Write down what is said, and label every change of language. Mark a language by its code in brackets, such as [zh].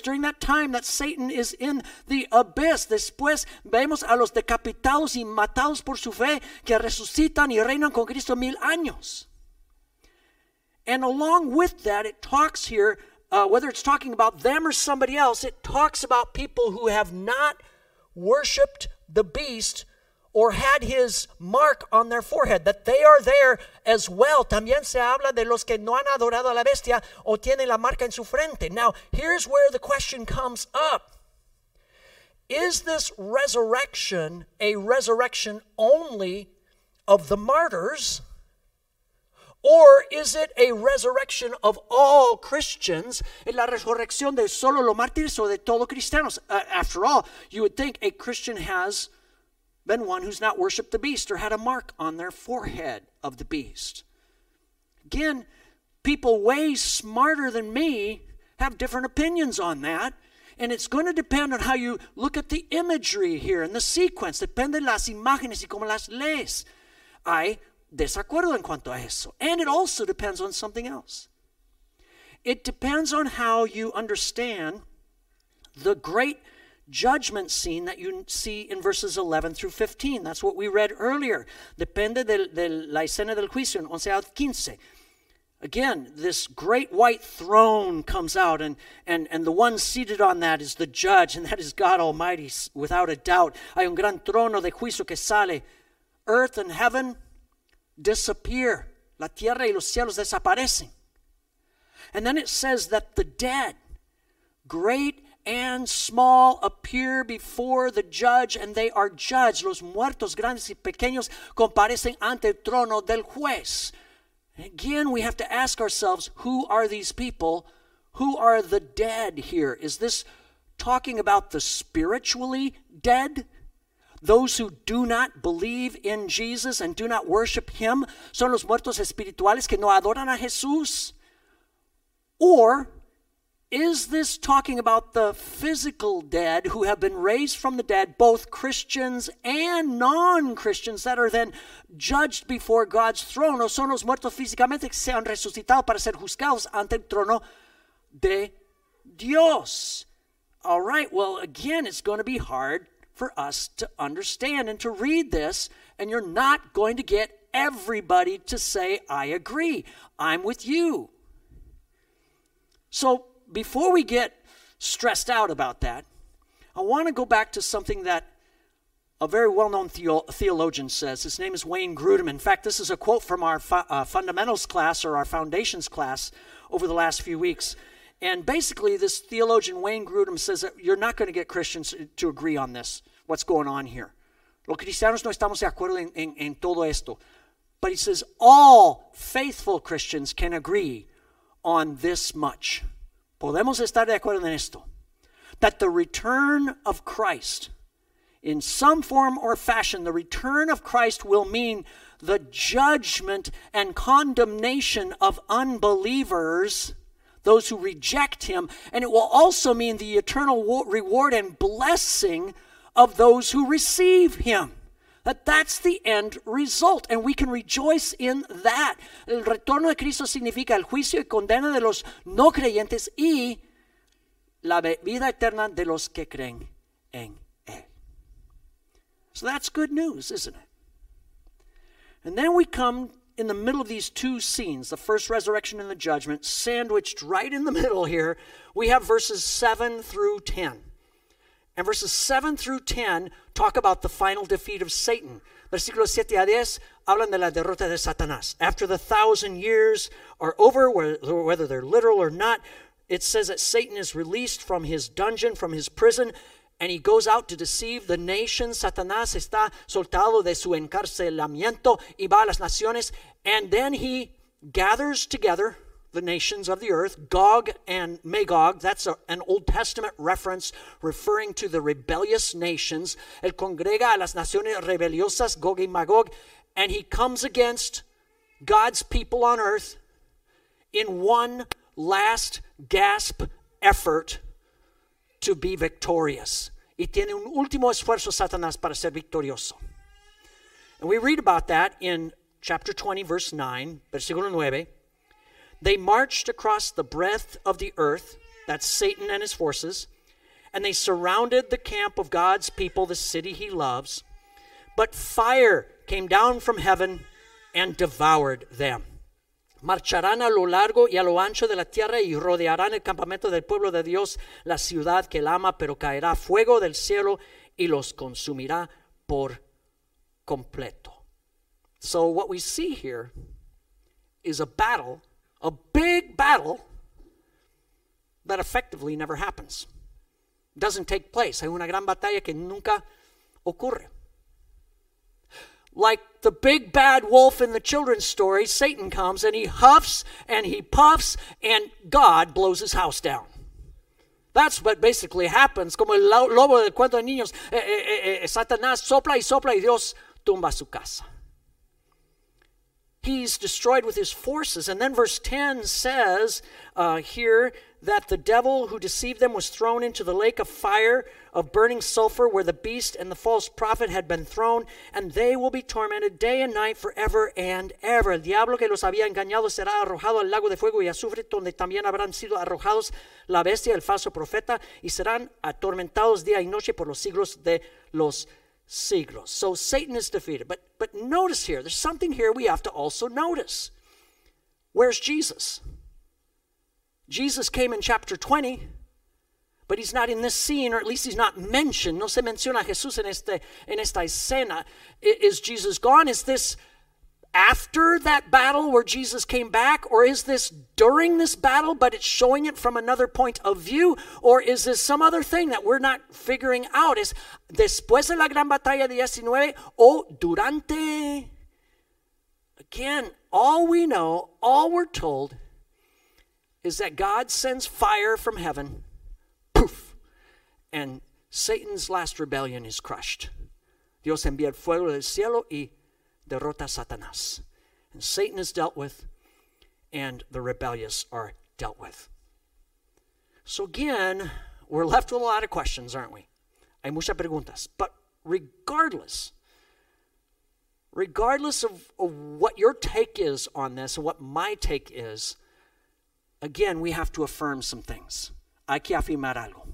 [en] During that time that Satan is in the abyss, [es] después vemos a los decapitados y matados por su fe que resucitan y reinan con Cristo 1,000 años. [en] And along with that, it talks here, whether it's talking about them or somebody else, it talks about people who have not worshipped the beast or had his mark on their forehead, that they are there as well. [es] También se habla de los que no han adorado a la bestia o tienen la marca en su frente. [en] Now, here's where the question comes up. Is this resurrection a resurrection only of the martyrs, or is it a resurrection of all Christians? [es] ¿Es la resurrección de solo los mártires o de todos cristianos? [en] After all, you would think a Christian has been one who's not worshipped the beast or had a mark on their forehead of the beast. Again, people way smarter than me have different opinions on that. And it's going to depend on how you look at the imagery here and the sequence. [es] Depende de las imágenes y cómo las lees. [en] I [es] desacuerdo en cuanto a eso. [en] And it also depends on something else. It depends on how you understand the great judgment scene that you see in verses 11 through 15. That's what we read earlier. [es] Depende de la escena del juicio en 11 a 15. [en] Again, this great white throne comes out, and the one seated on that is the judge, and that is God Almighty, without a doubt. [es] Hay un gran trono de juicio que sale. [en] Earth and heaven disappear. [es] La tierra y los cielos desaparecen. [en] And then it says that the dead, great and small, appear before the judge and they are judged. [es] Los muertos grandes y pequeños comparecen ante el trono del juez. [en] Again, we have to ask ourselves, who are these people? Who are the dead here? Is this talking about the spiritually dead? Those who do not believe in Jesus and do not worship him, [es] son los muertos espirituales que no adoran a Jesús? [en] Or is this talking about the physical dead who have been raised from the dead, both Christians and non-Christians, that are then judged before God's throne? [es] ¿O son los muertos físicamente que se han resucitado para ser juzgados ante el trono de Dios? [en] All right, well, again, it's going to be hard for us to understand and to read this, and you're not going to get everybody to say, I agree, I'm with you. So before we get stressed out about that, I want to go back to something that a very well-known theologian says. His name is Wayne Grudem. In fact, this is a quote from our fundamentals class or our foundations class over the last few weeks. And basically, this theologian, Wayne Grudem, says that you're not going to get Christians to agree on this, what's going on here. [es] Los cristianos no estamos de acuerdo en todo esto. [en] But he says all faithful Christians can agree on this much. [es] Podemos estar de acuerdo en esto. [en] That the return of Christ in some form or fashion, the return of Christ will mean the judgment and condemnation of unbelievers, those who reject him, and it will also mean the eternal reward and blessing of those who receive him. That's the end result, and we can rejoice in that. [es] El retorno de Cristo significa el juicio y condena de los no creyentes y la vida eterna de los que creen en él. [en] So that's good news, isn't it? And then we come in the middle of these two scenes, the first resurrection and the judgment, sandwiched right in the middle here, we have verses 7 through 10. And verses 7 through 10 talk about the final defeat of Satan. [es] Versículos 7 a 10 hablan de la derrota de Satanás. [en] After the 1,000 years are over, whether they're literal or not, it says that Satan is released from his dungeon, from his prison, and he goes out to deceive the nations. [es] Satanás está soltado de su encarcelamiento y va a las naciones. [en] And then he gathers together the nations of the earth, Gog and Magog. That's an Old Testament reference referring to the rebellious nations. [es] El congrega a las naciones rebeliosas, Gog y Magog. [en] And he comes against God's people on earth in one last gasp effort to be victorious. [es] Y tiene un último esfuerzo Satanás para ser victorioso. [en] And we read about that in chapter 20, verse 9, [es] versículo 9. [en] They marched across the breadth of the earth, that's Satan and his forces, and they surrounded the camp of God's people, the city he loves. But fire came down from heaven and devoured them. [es] Marcharán a lo largo y a lo ancho de la tierra y rodearán el campamento del pueblo de Dios, la ciudad que él ama, pero caerá fuego del cielo y los consumirá por completo. [en] So what we see here is a battle, a big battle that effectively never happens. It doesn't take place. [es] Hay una gran batalla que nunca ocurre. [en] Like the big bad wolf in the children's story, Satan comes and he huffs and he puffs and God blows his house down. That's what basically happens. [es] Como el lobo del cuento de niños, Satanás sopla y sopla y Dios tumba su casa. [en] He's destroyed with his forces. And then verse 10 says here that the devil who deceived them was thrown into the lake of fire of burning sulfur where the beast and the false prophet had been thrown, and they will be tormented day and night forever and ever. [es] El diablo que los había engañado será arrojado al lago de fuego y azufre, donde también habrán sido arrojados la bestia, el falso profeta, y serán atormentados día y noche por los siglos de los siglos. [en] So Satan is defeated. But notice here, there's something here we have to also notice. Where's Jesus? Jesus came in chapter 20, but he's not in this scene, or at least he's not mentioned. [es] No se menciona a Jesús en esta escena. [en] Is Jesus gone? Is this after that battle where Jesus came back? Or is this during this battle, but it's showing it from another point of view? Or is this some other thing that we're not figuring out? [es] Is después de la gran batalla de 19 o durante? [en] Again, all we know, all we're told, is that God sends fire from heaven, poof, and Satan's last rebellion is crushed. [es] Dios envía el fuego del cielo y derrota Satanás. [en] And Satan is dealt with, and the rebellious are dealt with. So again, we're left with a lot of questions, aren't we? [es] Hay muchas preguntas. [en] But regardless of what your take is on this, and what my take is, again, we have to affirm some things. [es] Hay que afirmar algo.